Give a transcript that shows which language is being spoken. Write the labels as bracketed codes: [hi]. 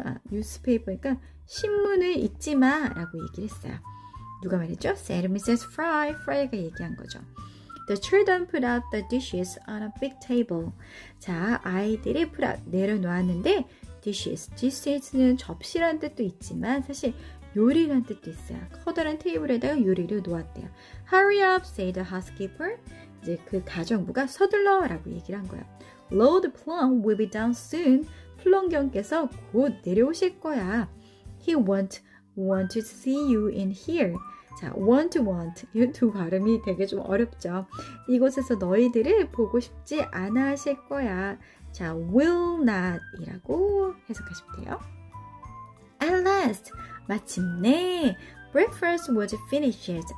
[ko] 뉴스페이퍼니까 신문을 잊지 마 라고 얘기를 했어요. 누가 말했죠? [en] said Mrs. Fry. [ko] Fry가 얘기한 거죠. [en] The children put out the dishes on a big table. [ko] 자, 아이들이 내려놓았는데 dishes는 접시란 뜻도 있지만 사실 요리란 뜻도 있어요. 커다란 테이블에다가 요리를 놓았대요. [en] Hurry up, said the housekeeper. [ko] 이제 그 가정부가 서둘러 라고 얘기를 한 거예요. [en] Lord Plum will be down soon. [ko] 플럼경께서 곧 내려오실 거야. [en] He won't want to see you in here. [ko] 자, want. 이 두 발음이 되게 좀 어렵죠. 이곳에서 너희들을 보고 싶지 않아 하실 거야. 자, will not 이라고 해석하시면 돼요. [en] At last, [ko] 마침내 [en] breakfast was finished.